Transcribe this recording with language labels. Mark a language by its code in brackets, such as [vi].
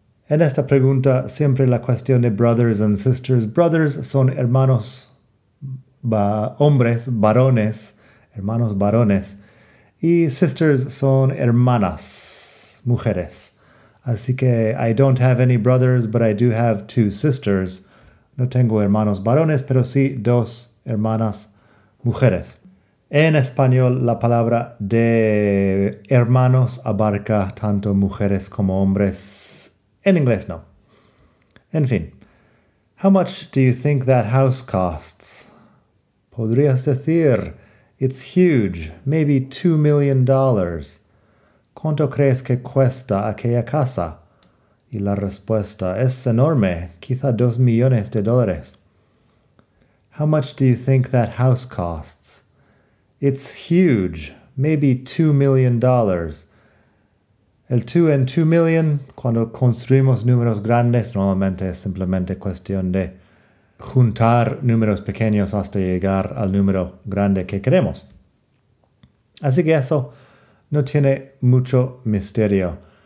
[es] En esta pregunta, siempre la cuestión de [en] brothers and sisters. [es] Brothers son hermanos, hombres, varones, hermanos varones. Y sisters son hermanas, mujeres. Así que, [en] I don't have any brothers, but I do have 2 sisters. [es] No tengo hermanos varones, pero sí 2 hermanas, mujeres. En español, la palabra de hermanos abarca tanto mujeres como hombres. En inglés, no. En fin. [en] How much do you think that house costs? [es] Podrías decir, [en] it's huge, maybe $2 million. [es] ¿Cuánto crees que cuesta aquella casa? Y la respuesta, es enorme, quizá $2 millones. [en] How much do you think that house costs? It's huge, maybe $2 million. [es] El 2 en 2 million, cuando construimos números grandes, normalmente es simplemente cuestión de juntar números pequeños hasta llegar al número grande que queremos. Así que eso no tiene mucho misterio.